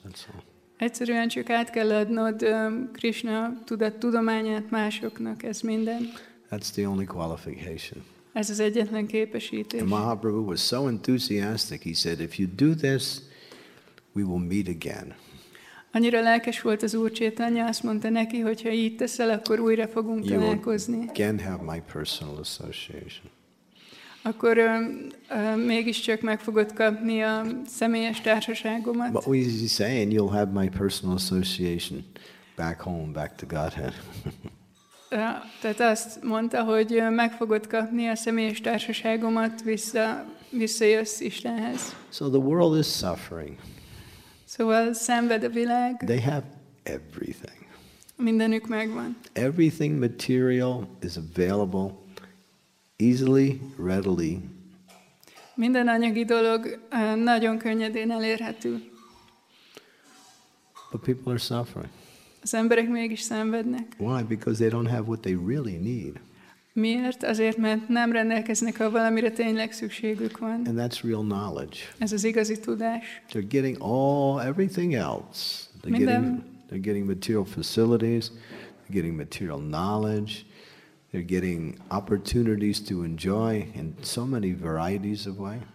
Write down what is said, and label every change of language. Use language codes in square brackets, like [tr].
[en] That's all. [hu] Egyszerűen csak át kell adnod Krishna tudományát másoknak, ez minden. [en] That's the only qualification. [hu] Ez az egyetlen képesítés. [en] And Mahaprabhu was so enthusiastic, he said, if you do this, we will meet again. [hu] Annyira lelkes volt az Úr Chaitanya, azt mondta neki, hogy ha így teszel, akkor újra fogunk találkozni. [en] You can have my personal association. [hu] Akkor mégiscsak meg fogod kapni a személyes társaságomat. [en] But what is he saying? You'll have my personal association back home, back to Godhead. [hu] Tehát azt mondta, hogy meg fogod kapni a személyes társaságomat, visszajössz Istenhez. [en] So the world is suffering. [hu] Szóval szenved a világ. [en] They have everything. [hu] Mindenük megvan. [en] Everything material is available easily, readily. [hu] Minden anyagi dolog nagyon könnyedén elérhető. [en] But people are suffering. [hu] Az emberek mégis szenvednek. [en] Why? Because they don't have what they really need. [hu] Miért? Azért, mert nem rendelkeznek, ha valamire tényleg szükségük van. [en] And that's real knowledge. [hu] Ez az igazi tudás. [en] They're getting all everything else. They're getting material facilities, they're getting material knowledge, they're getting opportunities to enjoy in so many varieties of way.